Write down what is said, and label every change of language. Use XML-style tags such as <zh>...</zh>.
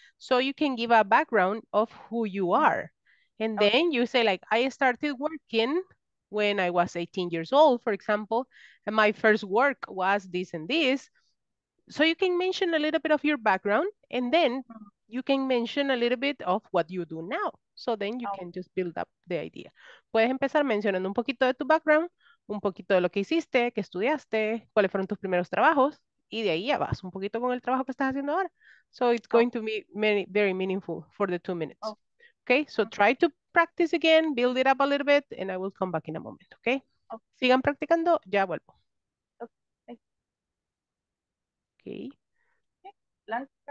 <en>So you can give a background of who you are. And then you say like, I started working when I was 18 years old, for example, and my first work was this and this. So you can mention a little bit of your background, and then you can mention a little bit of what you do now. So then you can just build up the idea.</en> <es>Puedes empezar mencionando un poquito de tu background, un poquito de lo que hiciste, qué estudiaste, cuáles fueron tus primeros trabajos, y de ahí ya vas un poquito con el trabajo que estás haciendo ahora.</es> <en>So it's going to be very meaningful for the 2 minutes. Okay, so try to practice again, build it up a little bit, and I will come back in a moment, okay?</en> <es>Sigan practicando, ya vuelvo.</es> <en>Okay. Blanca.</en>